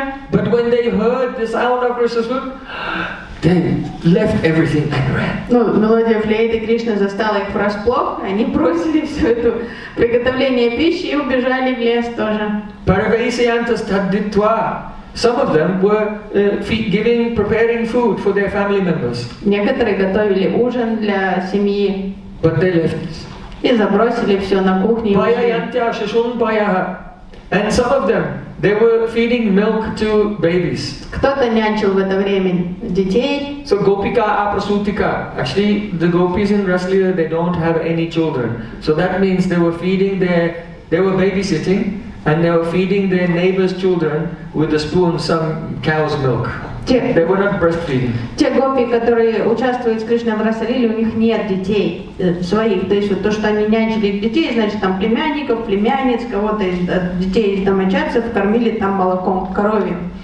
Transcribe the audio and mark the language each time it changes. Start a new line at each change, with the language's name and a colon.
English: But when they heard the sound of Krishna's flute, they left everything and ran.
Russian: Ну, мелодия флейты Кришны застала их врасплох, они бросили все это приготовление пищи и убежали в лес тоже.
Sanskrit: Paravaisyantas tadditva.
English: Some of them were preparing food for their family members.
Russian: Некоторые готовили ужин для семьи.
English: But they left.
Russian: И забросили все на кухне.
Sanskrit: Паяянтя шишун паяха.
English: And some of them, they were feeding milk to babies.
Russian: Кто-то нянчил в это время детей.
English: So
Sanskrit: gopika aprasutika.
English: Actually, the gopis in Rasleela, they don't have any children. So that means they were feeding they were babysitting, and they were feeding their neighbor's children with a spoon some cow's milk. They were not breastfeeding.
Russian: Те гопи, которые участвуют с Кришной в Расалиле, у них нет детей своих. То есть вот то, что они нянчили детей, значит там племянников, племянниц, кого-то из детей из домочадцев кормили там молоком корови.